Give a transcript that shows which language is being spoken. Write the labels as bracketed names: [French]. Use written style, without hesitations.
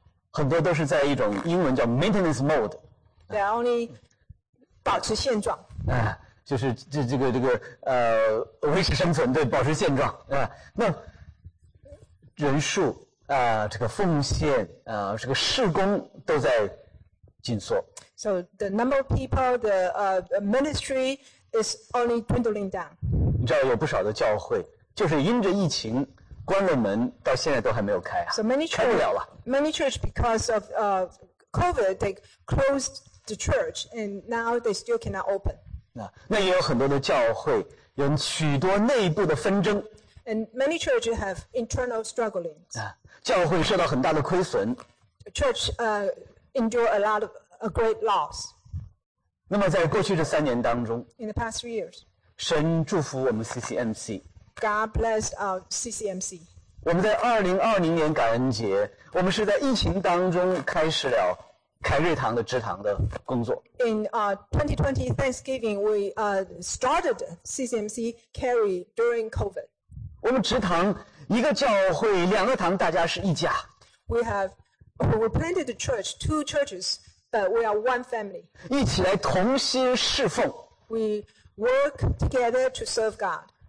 [Chinese] 很多都是在一种英文叫 maintenance mode. [English] They are only [Chinese] 保持现状。就是这个维持生存，对，保持现状。那人数这个奉献这个事工都在紧缩。 [English] So the number of people, the ministry is only dwindling down. [Chinese] 你知道有不少的教会就是因着疫情关了门到现在都还没有开啊。 [English] So many church, [Chinese] 开不了了。 [English] Many church because of COVID, they closed the church and now they still cannot open. [Chinese] 那也有很多的教会有许多内部的纷争。 [English] And many church have internal struggling. [Chinese] 教会受到很大的亏损。 [English] Church endure a great loss. [Chinese] 那么在过去这三年当中 [English] In the past 3 years, [Chinese] 神祝福我们 CCMC。 [English] God blessed CCMC. [Chinese] 我们在2020年感恩节，我们是在疫情当中开始了凯瑞堂的支堂的工作。 [English] In 2020 Thanksgiving, we started CCMC Cary during COVID. [Chinese] 我们支堂一个教会两个堂，大家是一家。 [English] We planted the church, two churches, but we are one family. [Chinese] 一起来同心侍奉。 [English] We work together to serve God.